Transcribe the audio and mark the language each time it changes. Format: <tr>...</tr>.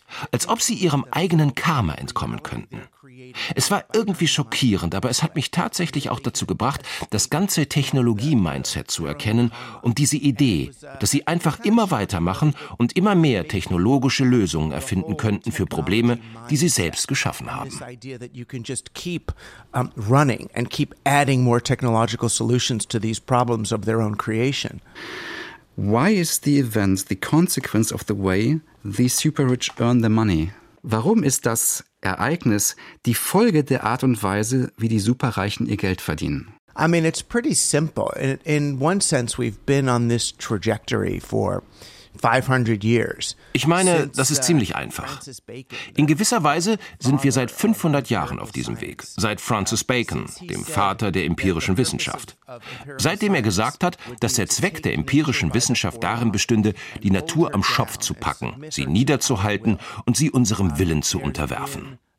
<de>Als ob sie ihrem eigenen Karma entkommen könnten. Es war irgendwie schockierend, aber es hat mich tatsächlich auch dazu gebracht, das ganze Technologie-Mindset zu erkennen und diese Idee, dass sie einfach immer weitermachen und immer mehr technologische Lösungen erfinden könnten für Probleme, die sie selbst geschaffen haben.</de> <en>You can just keep running and keep adding more technological solutions to these problems of their own creation. Why is the event the consequence of the way these super rich earn the money?</en> <de>Warum ist das Ereignis die Folge der Art und Weise, wie die Superreichen ihr Geld verdienen?</de> <en>I mean, it's pretty simple. In one sense, we've been on this trajectory for 500 years.</en> <de>Ich meine, das ist ziemlich einfach. In gewisser Weise sind wir seit 500 Jahren auf diesem Weg, seit Francis Bacon, dem Vater der empirischen Wissenschaft. Seitdem er gesagt hat, dass der Zweck der empirischen Wissenschaft darin bestünde, die Natur am Schopf zu packen, sie niederzuhalten und sie unserem Willen zu unterwerfen.</de>